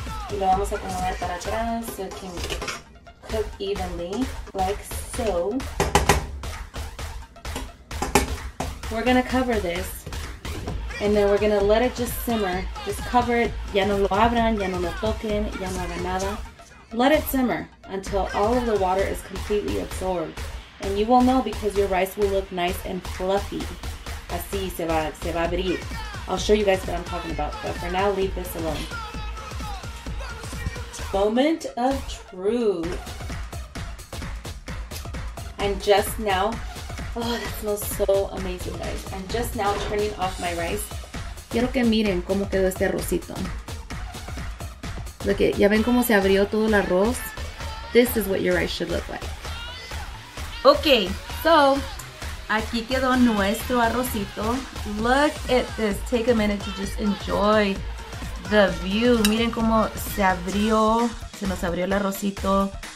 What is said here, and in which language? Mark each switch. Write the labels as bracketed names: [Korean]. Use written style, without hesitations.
[Spanish] Y lo vamos a poner para atrás [English] so it can cook evenly, like so. We're gonna cover this, and then we're gonna let it just simmer. Just cover it. [Spanish] Ya no lo abran, ya no lo toquen, ya no hagan nada. [English] Let it simmer until all of the water is completely absorbed. And you will know because your rice will look nice and fluffy. [Spanish] Así se va a abrir. [English] I'll show you guys what I'm talking about, but for now, leave this alone. Moment of truth. And just now, oh, that smells so amazing, guys. I'm just now turning off my rice. [Spanish] Quiero que miren cómo quedó este arrocito. [English] Look at, [Spanish] ya ven cómo se abrió todo el arroz? [English] This is what your rice should look like. Okay, so [Spanish] aquí quedó nuestro arrocito. [English] Look at this. Take a minute to just enjoy the view. [Spanish] Miren cómo se abrió. Se nos abrió el arrocito.